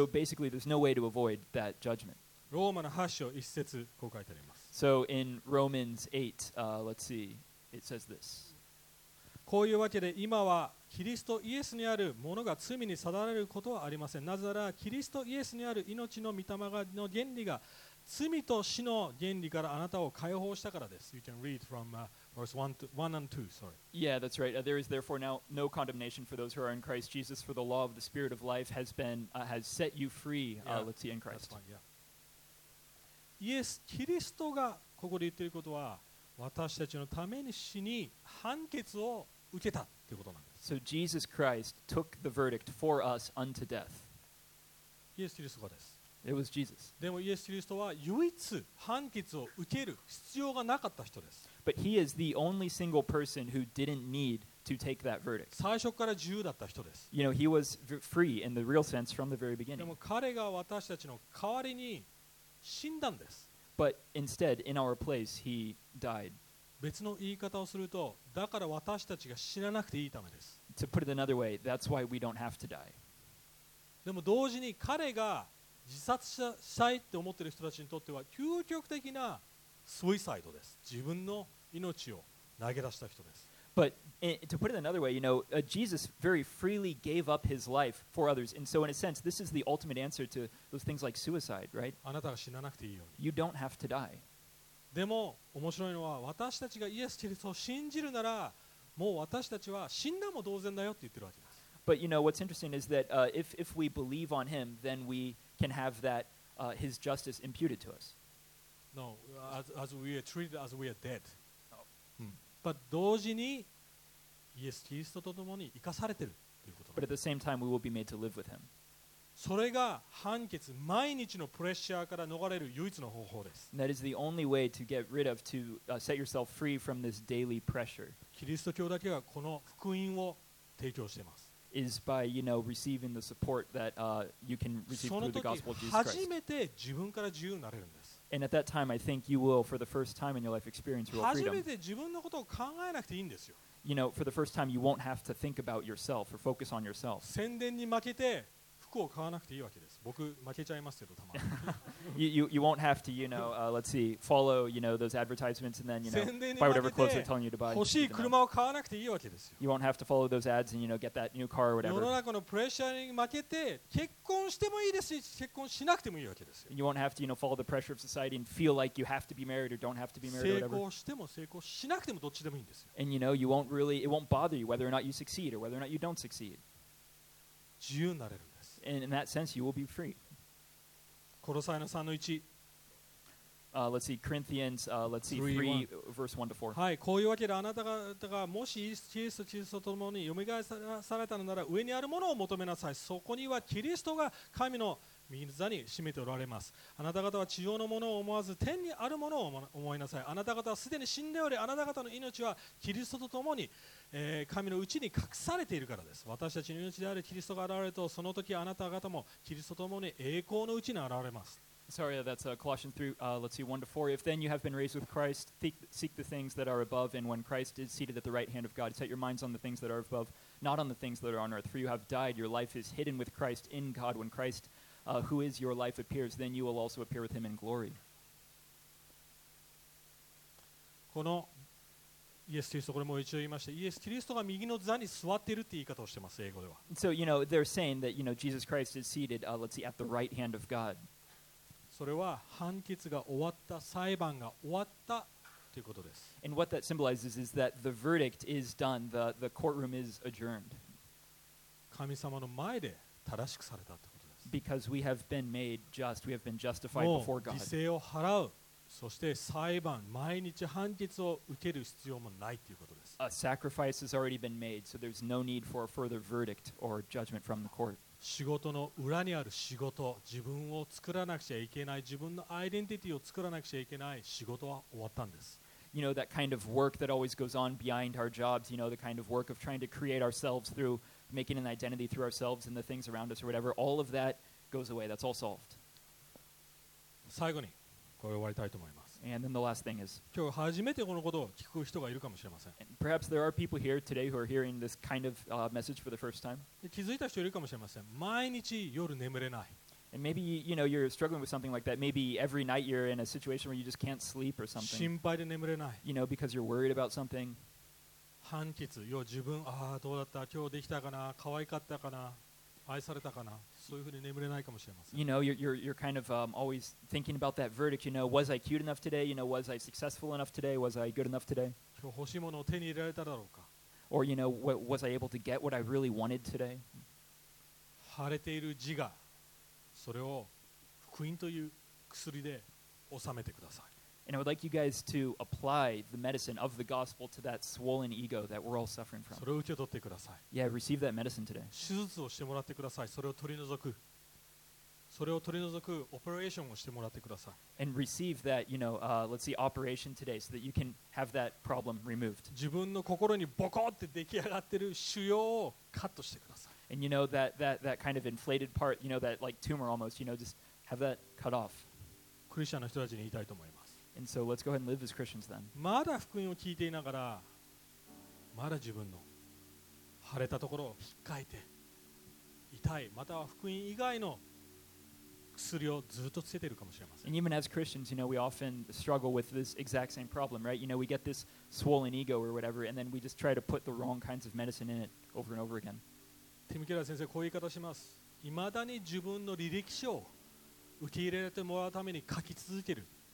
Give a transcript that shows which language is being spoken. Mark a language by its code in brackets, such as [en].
[en] So basically there's no way to avoid that judgment. [ja] ローマの8章1節こう書いてあります。 [en] So in Romans 8, let's see, it says this. [ja] こういうわけで今はキリストイエスにあるものが罪に定められることはありません。なぜならキリストイエスにある命の御霊の原理が罪と死の原理からあなたを解放したからです。 [en] You can read from verse 1 and 2, sorry. Yeah, that's right. There is therefore now no condemnation for those who are in Christ Jesus, for the law of the Spirit of life has set you free. Let's see, in Christ. [ja] Yes, キリストがここで言っていることは私たちのために死に判決を受けたということなんです。 [en] So Jesus Christ took the verdict for us unto death. [ja] イエス・キリストがです。 [en] It was Jesus. [ja] でもイエス・キリストは唯一判決を受ける必要がなかった人です。 [en] But he is the only single person who didn't need to take that verdict. [ja] 最初から自由だった人です。 [en] You know, he was free in the real sense from the very beginning. [ja] でも彼が私たちの代わりに死んだんです。 [en] But instead, in our place, he died. [ja] 別の言い方をすると、だから私たちが死ななくていいためです。 [en] To put it another way, that's why we don't have to die. [ja] でも同時に彼が自殺したいって思ってる人たちにとっては究極的なスイサイドです。自分の命を投げ出した人です。 [en] But to put it another way, you know, Jesus very freely gave up his life for others. And so in a sense, this is the ultimate answer to those things like suicide, right? [ja] あなたが死ななくていいように。 [en] You don't have to die. [ja] でも面白いのは私たちがイエス・キリストを信じるならもう私たちは死んだも同然だよって言ってるわけです。 [en] But you know, what's interesting is that if we believe on him, then we can have that, his justice imputed to us. No, as we are treated as we are dead. [ja] But 同時にイエス・キリストと共に生かされているということ。 [en] But at the same time, we will be made to live with him. [ja] それが判決、毎日のプレッシャーから逃れる唯一の方法です。 [en] That is the only way to get rid of, to set yourself free from this daily pressure. [ja] キリスト教だけがこの福音を提供しています。 [en] Is by, you know, receiving the support that you can receive through the gospel of Jesus Christ. [ja] その時初めて自分から自由になれるんです。 [en] And at that time, I think you will, for the first time in your life, experience real freedom. [ja] 初めて自分のことを考えなくていいんですよ。 [en] You know, for the first time, you won't have to think about yourself or focus on yourself. [ja] 宣伝に負けて服を買わなくていいわけです。僕、負けちゃいますけど、たまに。 [en] You won't have to, you know, let's see, follow, you know, those advertisements and then, you know, buy whatever clothes they're telling you to buy. [ja] 欲しい車を買わなくていいわけですよ。 [en] You won't have to follow those ads and, you know, get that new car or whatever. [ja] 世の中のプレッシャーに負けて結婚してもいいですし、結婚しなくてもいいわけですよ。 [en] You won't have to, you know, follow the pressure of society and feel like you have to be married or don't have to be married or whatever. [ja] 成功しても成功しなくてもどっちでもいいんですよ。 [en] And, you know, you won't really, it won't bother you whether or not you succeed or whether or not you don't succeed. [ja] 自由になれるんです。 [en] And in that sense, you will be free. [ja] コロサイの3の1 [en] let's see, Corinthians, let's see, 3, 3 verse 1 to 4. [ja] はい、こういうわけであなた方がもしキリスト、キリストと共によみがえされたのなら上にあるものを求めなさい。そこにはキリストが神の右座に占めておられます。あなた方は地上のものを思わず天にあるものを思いなさい。あなた方はすでに死んでおり、あなた方の命はキリストと共に、神のうちに隠されているからです。私たちの命であるキリストが現れると、その時あなた方もキリストと共に栄光のうちに現れます。 [en] Sorry, that's Colossians 3, let's see, 1 to 4. If then you have been raised with Christ, seek the things that are above, and when Christ is seated at the right hand of God, set your minds on the things that are above, not on the things that are on earth. For you have died, your life is hidden with Christ in God. When Christ, who is your life, appears, then you will also appear with him in glory. [ja] このイエス・キリスト、これもう一度言いました。イエス・キリストが右の座に座っているって言い方をしてます、英語では。 [en] So, you know, they're saying that, you know, Jesus Christ is seated, let's see, at the right hand of God. [ja] それは判決が終わった、裁判が終わったということです。 [en] And what that symbolizes is that the verdict is done, the courtroom is adjourned. [ja] 神様の前で正しくされたということです。 [en] Because we have been made just, we have been justified before God. [ja] もう犠牲を払う、そして裁判、毎日判決を受ける必要もないということです。 [en] A sacrifice has already been made, so there's no need for a further verdict or judgment from the court. [ja] 仕事の裏にある仕事、自分を作らなくちゃいけない、自分のアイデンティティを作らなくちゃいけない仕事は終わったんです。 [en] You know, that kind of work that always goes on behind our jobs, you know, the kind of work of trying to create ourselves through making an identity through ourselves and the things around us or whatever, all of that goes away. That's all solved. [ja] 最後に、これを終わりたいと思います。 [en] And then the last thing is, [ja] 今日初めてこのことを聞く人がいるかもしれません。 [en] And perhaps there are people here today who are hearing this kind of message for the first time. [ja] 気づいた人いるかもしれません。毎日夜眠れない。 [en] And maybe, you know, you're struggling with something like that. Maybe every night you're in a situation where you just can't sleep or something. [ja] 心配で眠れない。 [en] You know, because you're worried about something. [ja] 判決、要は自分、ああ、どうだった、今日できたかな、可愛かったかな、愛されたかな。そういうふうに眠れないかもしれません。 [en] You know, you're kind of always thinking about that verdict. You know, was I cute enough today? You know, was I successful enough today? Was I good enough today? [ja] 今日欲しいものを手に入れられただろうか。 [en] Or you know, was I able to get what I really wanted today? [ja] 腫れている自我、それを福音という薬で収めてください。 [en] And I would like you guys to apply the medicine of the gospel to that swollen ego that we're all suffering from. [ja] それを受け取ってください。 [en] Yeah, receive that medicine today. [ja] 手術をしてもらってください。それを取り除く。それを取り除くオペレーションをしてもらってください。 [en] And receive that, you know, let's see, operation today so that you can have that problem removed. [ja] 自分の心にボコって出来上がってる腫瘍をカットしてください。 [en] And you know, that kind of inflated part, you know, that like tumor almost, you know, just have that cut off. [ja] クリスチャンの人たちに言いたいと思います。 [en] And so let's go ahead and live as Christians then. [ja] まだ福音を聞いていながら、まだ自分の腫れたところを引っかいて痛い、または福音以外の薬をずっとつけているかもしれません。 [en] And even as Christians, you know, we often struggle with this exact same problem, right? You know, we get this swollen ego or whatever, and then we just try to put the wrong kinds of medicine in it over and over again. [ja] ティム・ケラー先生こういう言い方します。いまだに自分の履歴書を受け入れてもらうために書き続ける。